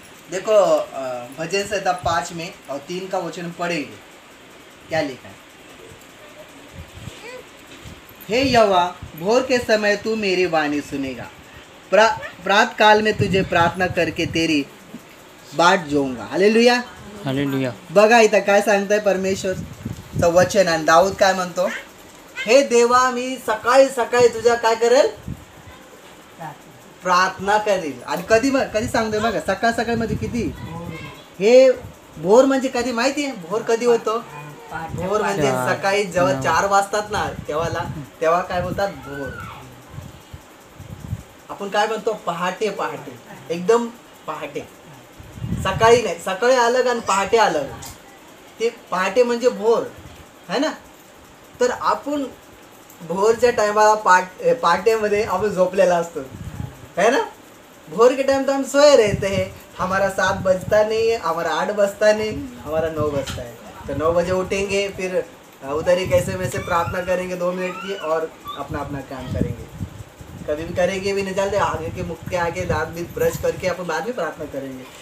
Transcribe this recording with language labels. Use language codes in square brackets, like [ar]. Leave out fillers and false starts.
[hi] देखो भजन संहिता 5:3 का वचन पढ़ेंगे, क्या लिखा है? हे यहोवा, भोर के समय तू मेरी वाणी सुनेगा, प्रात काल में तुझे प्रार्थना करके तेरी बाट जोऊंगा। हालेलुया। हालेलुया। [mr] बघा इथं काय सांगतंय परमेश्वर तो वचन, आणि दाऊद काय म्हणतो? हे देवा, मी सकाळी सकाळी तुझ्या काय करेल? प्रार्थना करेल। आणि कधी सांगतोय बघा, सकाळ सकाळ म्हणजे किती? हे भोर म्हणजे कधी माहिती आहे? भोर कधी होतो? भोर म्हणजे सकाळी जेव्हा 4 वाजतात ना तेव्हाला, तेव्हा काय बोलतात? भोर। आपण काय म्हणतो? पहाटे पहाटे, एकदम पहाटे, सकाळी नाही, सकाळी अलग आणि पहाटे अलग। ते पहाटे म्हणजे भोर, है ना? तर आपण भोरच्या टायमाला पहाटेमध्ये आपण झोपलेला असतो, है ना? [hi] भोर के टाइम तो हम सोए रहते हैं, हमारा 7 बजता नहीं है, हमारा 8 बजता नहीं, हमारा 9 बजता है। तो 9 बजे उठेंगे, फिर उधर ही कैसे वैसे प्रार्थना करेंगे 2 मिनट की और अपना अपना काम करेंगे। कभी भी करेंगे भी नहीं, चलते आगे के मुख के आगे दांत भी ब्रश करके अपन बाद में प्रार्थना करेंगे।